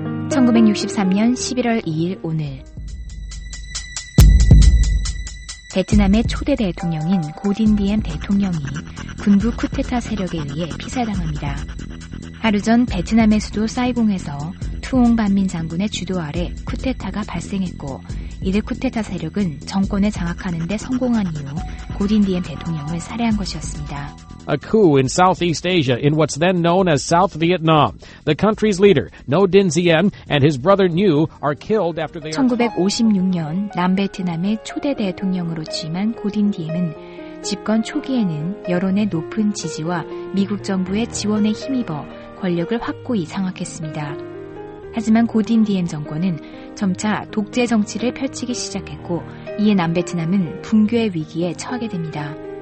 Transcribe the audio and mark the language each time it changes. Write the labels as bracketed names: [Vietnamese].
[Korean] 1963년 11월 2일 오늘 베트남의 초대 대통령인 고딘 디엠 대통령이 군부 쿠데타 세력에 의해 피살당합니다. 하루 전 베트남의 수도 사이공에서 투옹 반민 장군의 주도 아래 쿠데타가 발생했고 이들 쿠데타 세력은 정권을 장악하는 데 성공한 이후 고딘 디엠 대통령을 살해한 것이었습니다. [English] A coup in Southeast Asia in what's then known as South Vietnam. The country's leader, Ngo Dinh Diem, and his brother Nhu are killed after they are... [Korean] 1956년 남베트남의 초대 대통령으로 취임한 고딘 디엠은 집권 초기에는 여론의 높은 지지와 미국 정부의 지원에 힘입어 권력을 확고히 장악했습니다. 하지만 고딘 디엠 정권은 점차 독재 정치를 펼치기 시작했고 이에 남베트남은 붕괴의 위기에 처하게 됩니다.